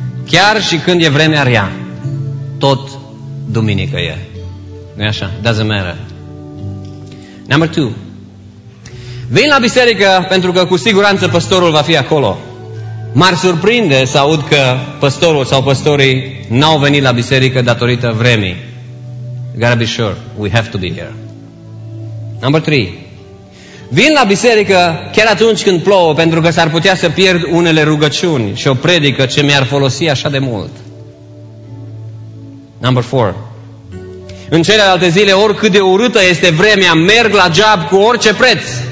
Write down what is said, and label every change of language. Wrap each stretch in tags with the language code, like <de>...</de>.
<ro>Chiar și când e vremea rea, tot duminică e. Nu-i așa?</ro> <en>Doesn't matter. Number 2.</en> <ro>Vin la biserică pentru că cu siguranță păstorul va fi acolo. M-ar surprinde să aud că păstorul sau păstorii n-au venit la biserică datorită vremii.</ro> <en>You gotta be sure, we have to be here. Number 3.</en> <ro>Vin la biserică chiar atunci când plouă, pentru că s-ar putea să pierd unele rugăciuni și o predică ce mi-ar folosi așa de mult.</ro> <en>Number 4.</en> <ro>În celelalte zile, oricât de urâtă este vremea, merg la job cu orice preț.</ro>